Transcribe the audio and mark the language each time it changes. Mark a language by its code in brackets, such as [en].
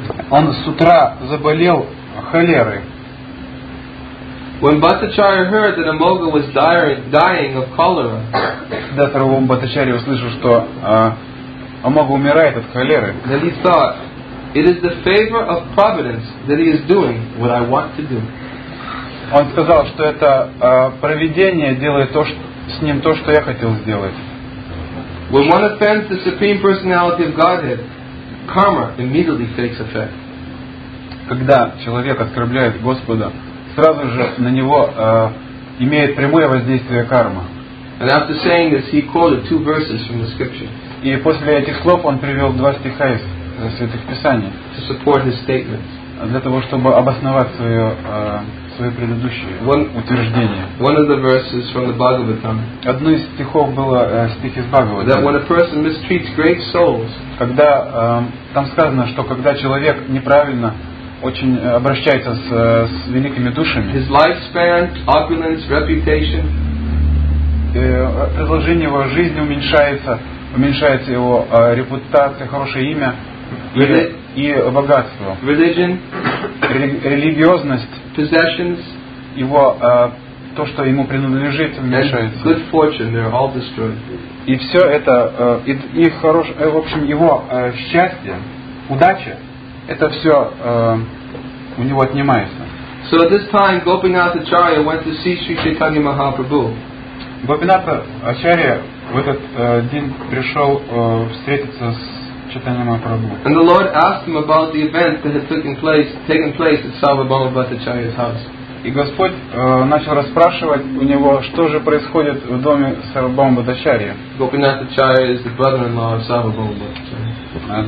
[ru] Он с утра заболел холерой. [en] When Bhattacharya heard that Amogha was dying of cholera, [ru] когда Сарвабхаума Бхаттачарья услышал, что Амога умирает от холеры. [en] Then he thought, it is the favor of providence that he is doing what I want to do. [ru] Он сказал, что это провидение делает то, что, с ним то, что я хотел сделать. [en] When one offends the supreme personality of Godhead, karma immediately takes effect. [ru] Когда человек оскорбляет Господа, сразу же на него имеет прямое воздействие карма. [en] And after saying this, he quoted two verses from the scripture. [ru] И после этих слов он привел два стиха из Святых Писаний. [en] To support his statement. [ru] Для того, чтобы обосновать свое предыдущее утверждение. [en] One of the verses from the Bhagavatam. [ru] Одно из стихов было стих из Бхагавата. [en] That when a person mistreats great souls. [ru] Когда там сказано, что когда человек неправильно очень обращается с великими душами. [en] His lifespan, opulence, reputation. [ru] Продолжение его жизни уменьшается. Уменьшается его репутация, хорошее имя и богатство. [en] Religion, [ru] религиозность, [en] possessions, [ru] его то, что ему принадлежит, уменьшается. [en] Good fortune, they're all destroyed. [ru] И все это, в общем, его счастье, удача, это все у него отнимается. [en] So at this time, Gopinath Acharya went to see Sri Chaitanya Mahaprabhu. [ru] Gopinatha Acharya в этот день пришел встретиться с Чайтанья Махапрабху. [en] And the Lord asked him about the event that had taken place at Sarvabhauma Bhattacharya's house. [ru] И Господь начал расспрашивать у него, что же происходит в доме Сарвабхаума Бхаттачарьи. [en] Gopinath Acharya is the brother-in-law of Sarvabhauma Bhattacharya.